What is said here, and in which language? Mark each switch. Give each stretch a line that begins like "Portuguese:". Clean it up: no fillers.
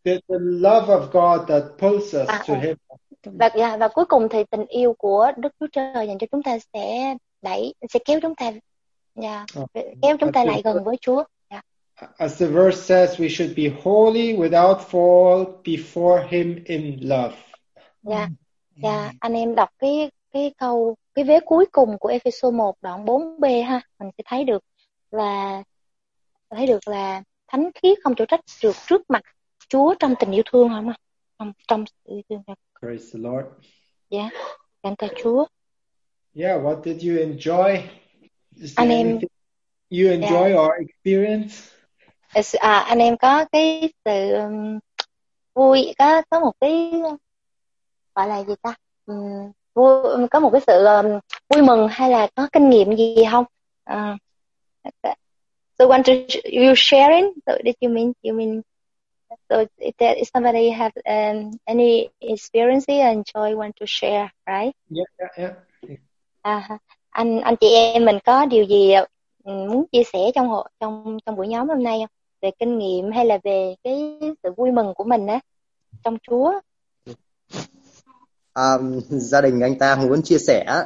English: The love of God that pulls us to Him.
Vietnamese: Và cuối cùng thì tình yêu của Đức Chúa Trời dành cho chúng ta sẽ đẩy, sẽ kéo chúng ta, kéo chúng ta lại gần với Chúa.
English: As the verse says, we should be holy without fault before Him in love.
Vietnamese: Anh em đọc cái câu, cái vế cuối cùng của Ephesos 1 đoạn 4b ha, mình sẽ thấy được là thánh khiết không chỗ trách được trước mặt Chúa trong tình yêu thương, không ạ? Trong sự yêu thương.
English: Praise the Lord.
Vietnamese: Yeah, cảm tạ Chúa.
English: Yeah, what did you enjoy? Is there anything you enjoy or experience?
Vietnamese: Anh em có cái sự vui, có một cái gọi là gì ta, vui, có một cái sự vui mừng hay là có kinh nghiệm gì không?
English: So want to you sharing? So did you mean so if somebody have any experience and joy want to share, right? Yeah.
Vietnamese: Anh chị em mình có điều gì muốn chia sẻ trong buổi nhóm hôm nay không? Về kinh nghiệm hay là về cái sự vui mừng của mình á trong Chúa? Gia đình anh ta muốn chia sẻ